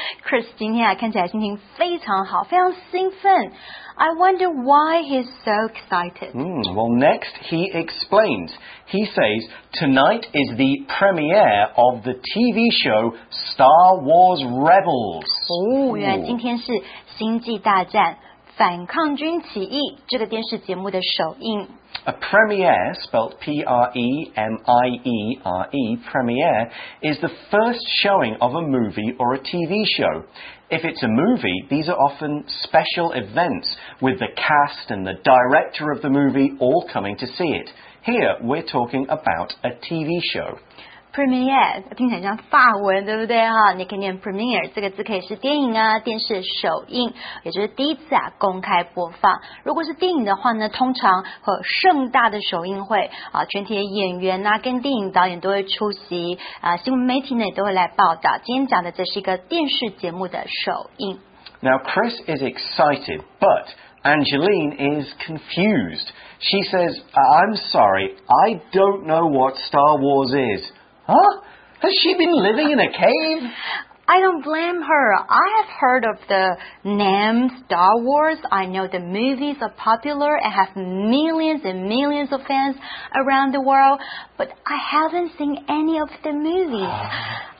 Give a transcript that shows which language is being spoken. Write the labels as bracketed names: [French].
[Chinese] Chris 今天看起来心情非常好，非常兴奋。 [English] I wonder why he's so excited. Well, next he explains. He says, tonight is the premiere of the TV show Star Wars Rebels. [Chinese] 原来今天是星际大战反抗军起义这个电视节目的首映。 [English] A premiere, spelled P-R-E-M-I-E-R-E, premiere, is the first showing of a movie or a TV show. If it's a movie, these are often special events, with the cast and the director of the movie all coming to see it. Here, we're talking about a TV show. [Chinese] p premiere 听起来像法文对不对哈？你可以念 premiere 这个字可以是电影啊电视首映也就是第一次啊公开播放如果是电影的话呢通常和盛大的首映会啊，全体的演员啊跟电影导演都会出席啊，新闻媒体呢也都会来报道今天讲的这是一个电视节目的首映 [English] Now Chris is excited butAngeline is confused. She says, I'm sorry, I don't know what Star Wars is. Huh? Has she been living in a cave? I don't blame her. I have heard of the name Star Wars. I know the movies are popular and have millions and millions of fans around the world, but I haven't seen any of the movies.